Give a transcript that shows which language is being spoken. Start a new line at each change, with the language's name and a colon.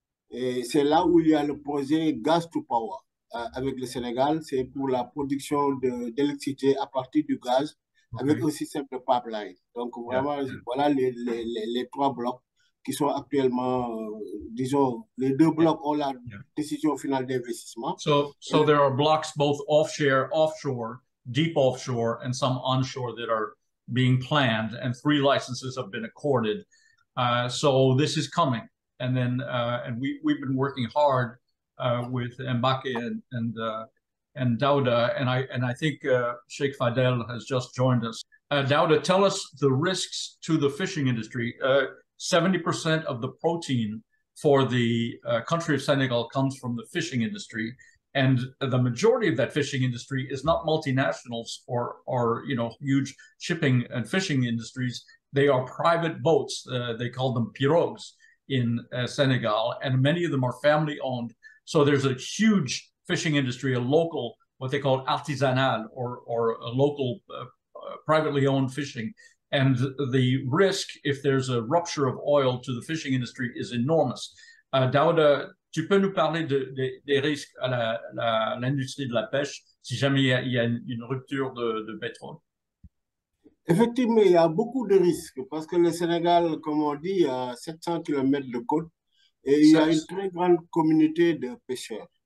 French: Et c'est là où il y a le projet Gas to Power avec le Sénégal. C'est pour la production d'électricité à partir du gaz. Okay. Avec un système de pipeline. Donc, vraiment, voilà les trois blocs qui sont actuellement, disons, les deux blocs ont la décision finale d'investissement.
English: So there are blocks both offshore, deep offshore, and some onshore that are being planned, and three licenses have been accorded. So this is coming. And then, and we've been working hard with Mbacke and Daouda, and I think Sheikh Fidel has just joined us. Daouda, tell us the risks to the fishing industry. 70% of the protein for the country of Senegal comes from the fishing industry, and the majority of that fishing industry is not multinationals or you know, huge shipping and fishing industries. They are private boats. They call them pirogues in Senegal, and many of them are family-owned. So there's a huge fishing industry, a local, what they call artisanal or a local privately owned fishing. And the risk, if there's a rupture of oil to the fishing industry, is enormous.
French: Daouda, tu peux nous parler des risques à l'industrie de la pêche si jamais il y a une rupture de pétrole? Effectivement, il y a beaucoup de risques parce que le Sénégal, comme on dit, a 700 km de côte et il y a une très grande communauté de pêcheurs.